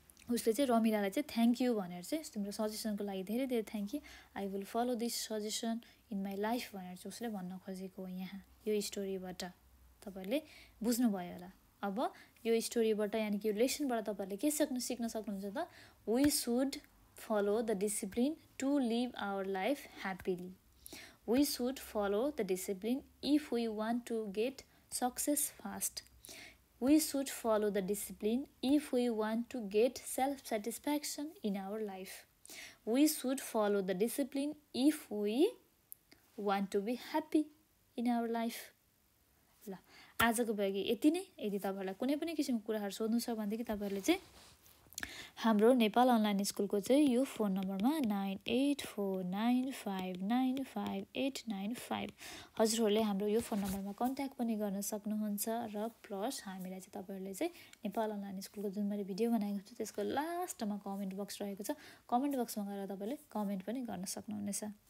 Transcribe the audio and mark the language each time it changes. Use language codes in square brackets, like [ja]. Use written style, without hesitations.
[ne] उसले चाहिँ रमिलालाई चाहिँ थ्याङ्क यू भनेर चाहिँ तिम्रो सजेसनको लागि धेरै धेरै thank you [en] I will follow this suggestion in my life [ne] भनेर चाहिँ उसले भन्न खोजेको हो यहाँ यो स्टोरीबाट तपाईँहरूले बुझ्नुभयो होला अब यो स्टोरीबाट यानि कि यो लेसनबाट तपाईँहरूले के सक्नु सिक्न सक्नुहुन्छ त [en] We should follow the discipline to live our life happily we should follow the discipline if we want to get success fast We should follow the discipline if we want to get self-satisfaction in our life. We should follow the discipline if we want to be happy in our life. [ne] ल आजको भएको यति नै यदि तपाईँहरूलाई कुनै पनि किसिमको कुराहरू सोध्नु छ भनेदेखि तपाईँहरूले चाहिँ हाम्रो नेपाल अनलाइन स्कुलको चाहिँ यो फोन नम्बरमा 9849595895 हजुरहरूले हाम्रो यो फोन नम्बरमा कन्ट्याक्ट पनि गर्न सक्नुहुन्छ र प्लस हामीलाई चाहिँ तपाईँहरूले चाहिँ नेपाल अनलाइन स्कुलको जुन मैले भिडियो बनाएको छु त्यसको लास्टमा कमेन्ट बक्स रहेको छ कमेन्ट बक्समा गएर तपाईँले कमेन्ट पनि गर्न सक्नुहुनेछ